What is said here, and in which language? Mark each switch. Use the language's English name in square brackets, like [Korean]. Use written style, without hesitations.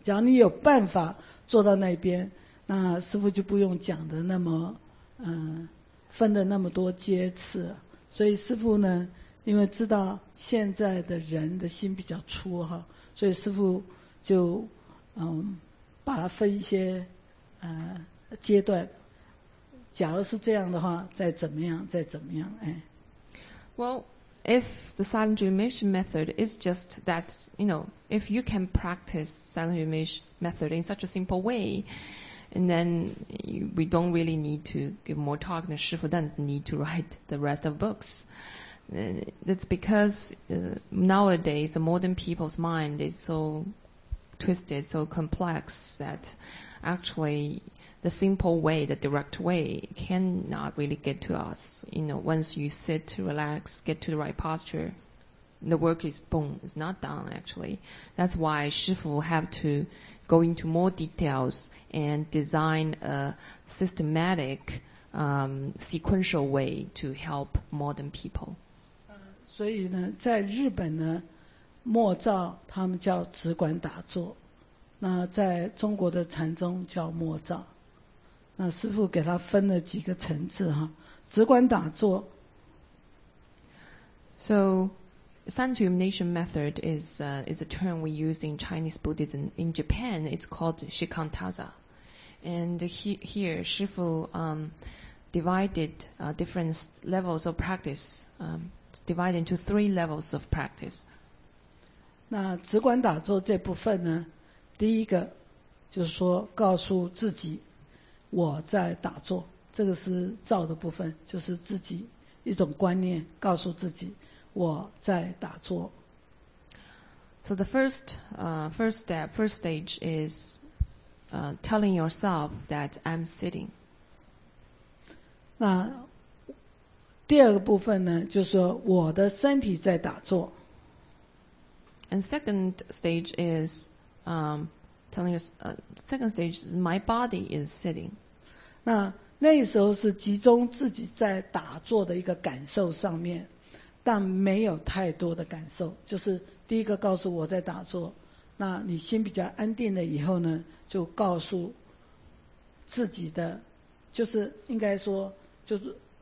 [Chinese] 假如你有办法做到那边，那师父就不用讲的那么分了那么多阶次，所以师父呢，因为知道现在的人的心比较粗哈，所以师父就把它分一些阶段。假如是这样的话，再怎么样，再怎么样，哎。 [English] Well, if the silent illumination method is just that, you know, if you can practice silent illumination method in such a simple way. And then we don't really need to give more talk, and Shifu doesn't need to write the rest of books. That's because nowadays the modern people's mind is so twisted, so complex that actually the simple way, the direct way, cannot really get to us. You know, once you sit, relax, get to the right posture, the work is boom, it's not done actually. That's why Shifu have to go into more details and design a systematic sequential way to help modern people. [Chinese] 所以呢，在日本呢，默照他们叫止观打坐，那在中国的禅宗叫默照。那师父给他分了几个层次哈，止观打坐。 [English] So, Sanchu Illumination method is a term we use in Chinese Buddhism. In Japan, it's called Shikantaza. And here, 师父divided different levels of practice. Divide into three levels of practice. [Chinese] 那止观打坐这部分呢，第一个就是说告诉自己我在打坐，这个是照的部分，就是自己一种观念，告诉自己我在打坐。 [English] So the first stage is telling yourself that I'm sitting. [Chinese] 那第二个部分呢，就是说我的身体在打坐。 [English] And second stage is telling us, my body is sitting. [Chinese] 那时候是集中自己在打坐的一个感受上面，但没有太多的感受。就是第一个告诉我在打坐，那你心比较安定了以后呢，就告诉自己的，就是应该说就是。